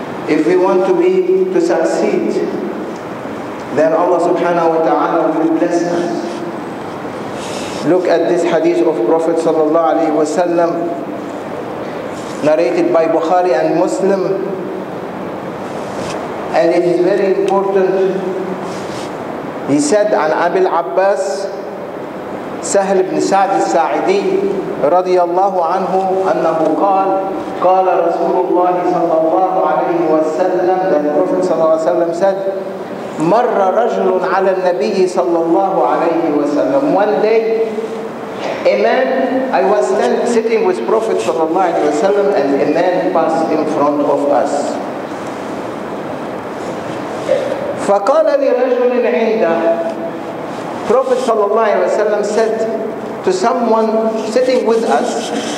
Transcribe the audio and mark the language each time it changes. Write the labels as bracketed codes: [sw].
[en] If we want to be, to succeed, then Allah subhanahu wa ta'ala will bless us. Look at this hadith of Prophet sallallahu alayhi wa sallam, narrated by Bukhari and Muslim. And it is very important. [ar] He said عن أبي العباس سهل بن سعد الساعدي رضي الله عنه أنه قال قال رسول الله صلى الله عليه وسلم [en] the Prophet [ar] صلى الله عليه وسلم said مر رجل على النبي صلى الله عليه وسلم. [en] One day a man, I was sitting with Prophet صلى الله عليه وسلم and a man passed in front of us. [ar] فقال لرجل عنده [en] Prophet [ar] صلى الله عليه وسلم [en] said to someone sitting with us